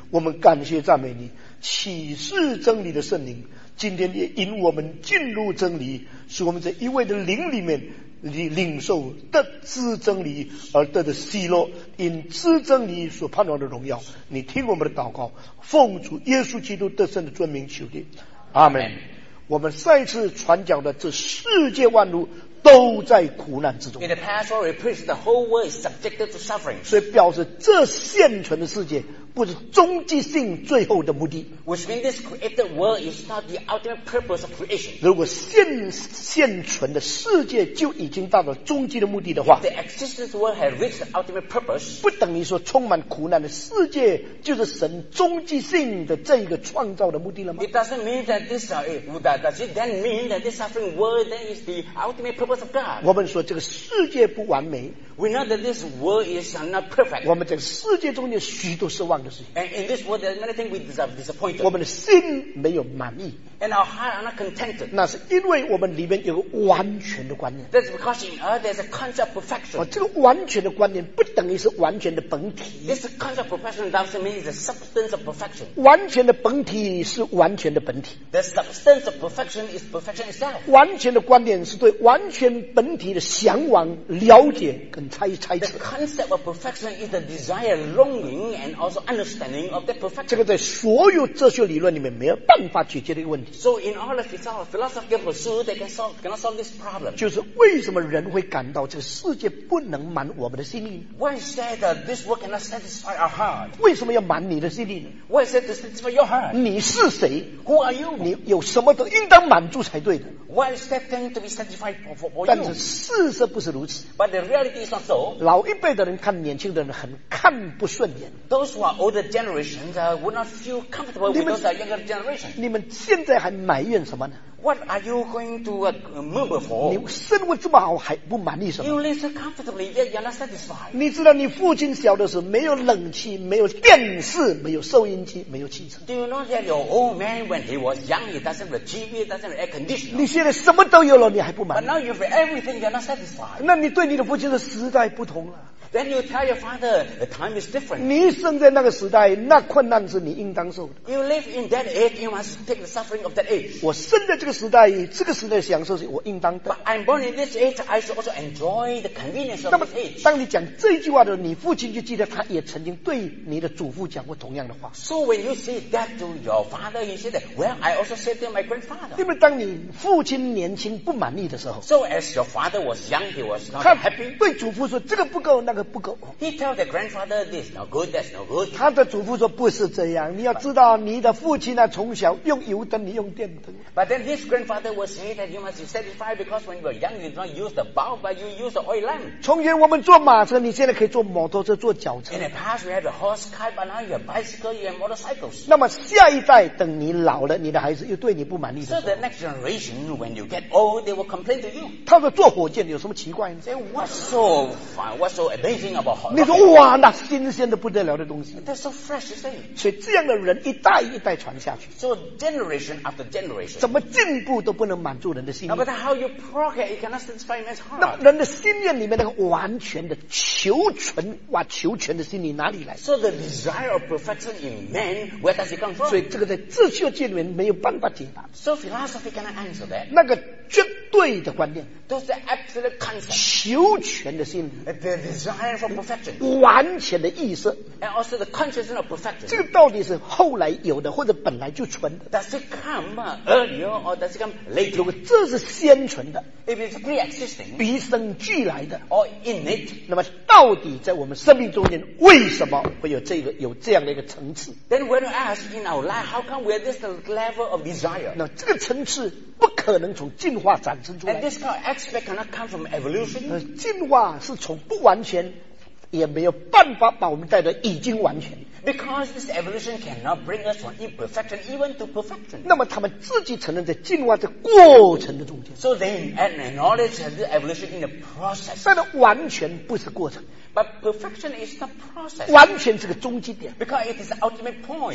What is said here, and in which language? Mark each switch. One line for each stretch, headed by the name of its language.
Chinese: 我们感谢赞美你，启示真理的圣灵今天也引我们进入真理，使我们在一位的灵里面领受得知真理而得的喜乐，因知真理所盼望的荣耀。你听我们的祷告，奉主耶稣基督得胜的尊名求的，阿们。我们再次传讲的，这世界万物都在苦难之中。
English: In the past, we preached the whole world is subjected to suffering.
Chinese: 所以表示这现存的世界不是终极性最后的目的。
English: Which means this created world is not the ultimate purpose of creation.
Chinese: 如果现存的世界就已经到了终极的目的的话
English: ，If the existing world had reached the ultimate purpose,
Chinese: 不等于说充满苦难的世界就是神终极性的这一个创造的目的了吗
English: ？It doesn't mean that this does it then mean that this suffering world then is the ultimate purpose of God?
Chinese: 我们说这个世界不完美。
English: We know that this world is not perfect.
Chinese: 我们在世界中间许多失望的事情。
English: And in this world, there are many things we deserve disappointed.
Chinese: 我们的心没有满意。
English: And our heart are not contented.
Chinese: 那是因为我们里面有个完全的观念。
English: That's because in us there's a concept of perfection.
Chinese: 这个完全的观念不等于是完全的本体。
English: This concept of perfection doesn't mean it's a substance of perfection.
Chinese: 完全的本体是完全的本体。
English: The substance of perfection is perfection itself.
Chinese: 完全的观念是对完全本体的向往、了解跟猜测。
English: The concept of perfection is the desire, longing, and also understanding of that perfection.
Chinese: 这个在所有哲学理论里面没有办法解决的一个问题。
English: So in all the philosophy of pursuit, they cannot solve this problem.
Chinese: 就是为什么人会感到这个世界不能满我们的心灵？
English: Why is that, that this world cannot satisfy our heart?
Chinese: 为什么要满你的心灵？
English: Why is that to satisfy your heart?
Chinese: 你是谁？
English: Who are you?
Chinese: 你有什么都应当满足才对的。
English: Why is that thing to be satisfied for you?
Chinese: 但是事实不是如此。
English: But the reality is not so.
Chinese: 老一辈的人看年轻的人很看不顺眼。
English: Those who are older generations would not feel comfortable with those who are younger generations.
Chinese: 你们现在还埋怨什么呢？
English: What are you going to murmur for?
Chinese: 你生活这么好还不满意什么？
English: You live so comfortably yet you're not satisfied.
Chinese: 你知道你父亲小的时候没有冷气，没有电视，没有收音机，没有汽车。
English: Do you know that your old man when he was young he doesn't have TV, doesn't have air conditioning?
Chinese: 你现在什么都有了，你还不满意？
English: But now you have everything, you're not satisfied.
Chinese: 那你对你的父亲的时代不同了。
English: Then you tell your father the time is different.
Chinese: 你生在那个时代，那困难是你应当受的。
English: You live in that age, you must take the suffering of that age.
Chinese: 我生在这个时代，这个时代享受是我应当的。
English: But I'm born in this age, I should also enjoy the convenience of this age.
Chinese: 那么，当你讲这句话的时候，你父亲就记得他也曾经对你的祖父讲过同样的话。
English: So when you say that to your father, you say that, well, I also said to my grandfather.
Chinese: 因为当你父亲年轻不满意的时候
English: ，So as your father was young, he was not happy.
Chinese: 他对祖父说这个不够，那个。不够。
English: He tell the grandfather this no good, that's no good.
Chinese: 他的祖父说不是这样，你要知道你的父亲呢、啊，从小用油灯，你用电灯。
English: But then his grandfather was say that you must be satisfied because when you were young, you did not use the bulb, but you use the oil lamp.
Chinese: 从前我们坐马车，你现在可以坐摩托车、坐脚车。
English: In the past we had a horse car, but now you have bicycle, you have motorcycles.
Chinese: 那么下一代等你老了，你的孩子又对你不满意的时候。
English: So the next generation, when you get old, they will complain to you.
Chinese: 他说坐火箭有什么奇怪呢
English: ？Say what's so fun, what's so amazing?
Chinese: 你说哇，那新鲜的不得了的东西。
English: That's so fresh, isn't it?
Chinese: 所以这样的人一代一代传下去。
English: So generation after generation.
Chinese: 怎么进步都不能满足人的心。
English: But how you progress, you cannot satisfy man's heart.
Chinese: 那人的心愿里面那个完全的求全哇，求全的心理哪里来
English: ？So the desire of perfection in man, where does it come from?
Chinese: 所以这个在自修界里面没有办法解答。
English: So philosophy cannot answer that.
Chinese: 那个绝对的观念。
English: Those the absolute concept.
Chinese: 求全的心理。
English: The desire. For perfection.
Chinese: 完全的意思
English: and also the consciousness of perfection.
Chinese: 这个到底是后来有的或者本来就存的
English: Does it come earlier or does it come later?
Chinese: 如果这是先存的
English: If it's pre-existing
Chinese: 与生俱来的
English: or innate
Chinese: 那么到底在我们生命中间为什么会有这个有这样的一个层次
English: Then when you ask in our life how come we have this level of desire?
Chinese: 那这个层次不可能从进化产生出来
English: And this kind of aspect cannot come from evolution.
Chinese: 进化是从不完全也没有办法把我们带到已经完全。
English: Because this evolution cannot bring us from imperfection even to perfection.
Chinese: 那么他们自己承认在进化的过程的中间。
English: So they acknowledge the evolution in the process.
Chinese: 但是完全不是过程。
English: But perfection is the process.
Chinese: 完全是个终极点。
English: Because it is the ultimate point.